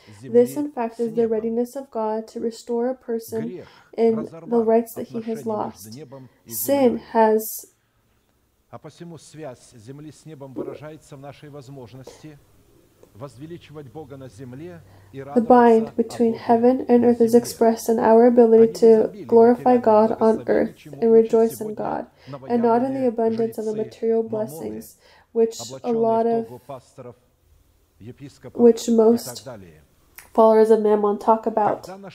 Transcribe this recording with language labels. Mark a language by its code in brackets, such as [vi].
[en] This, in fact, is the readiness of God to restore a person in the rights that he has lost. Sin has [ru] А посему связь земли с небом выражается в нашей возможности возвеличивать Бога на земле и радоваться. [en] The bind between heaven and earth is expressed in our ability to glorify God on earth and rejoice in God, and not in the abundance of the material blessings, which most followers of Mammon talk about.